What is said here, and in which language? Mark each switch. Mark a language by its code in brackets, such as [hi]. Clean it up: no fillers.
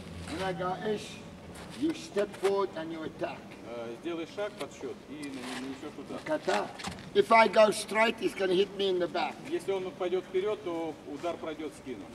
[en] When I go ish, you step forward and you attack. [ru] Сделай шаг, подсчет, и нанесешь удар. [en] Kata. If I go straight, it's gonna hit me in the back. [ru] Если он пойдет вперед, то удар пройдет в спину.